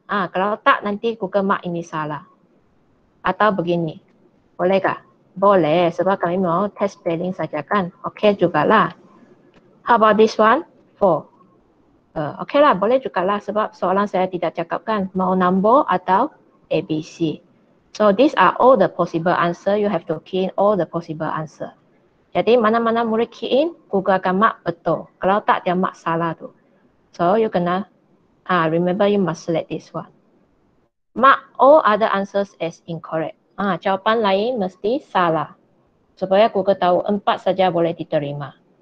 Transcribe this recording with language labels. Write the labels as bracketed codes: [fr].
[ms] Ah, kalau tak, nanti Google mark ini salah. Atau begini. Boleh kah? Boleh, sebab kami mau test spelling saja kan. Okay jugalah. [en] How about this one? [ms] 4. Okay lah, boleh jugalah sebab soalan saya tidak cakap kan. Mau number atau ABC. [en] So these are all the possible answer. You have to key in all the possible answer. [ms] Jadi mana-mana murid key in, Google akan mark betul. Kalau tak, dia mark salah tu. [en] So you kena remember you must select this one. Mark all other answers as incorrect. [ms] Ah, jawapan lain mesti salah. Supaya Google tahu 4 saja boleh diterima.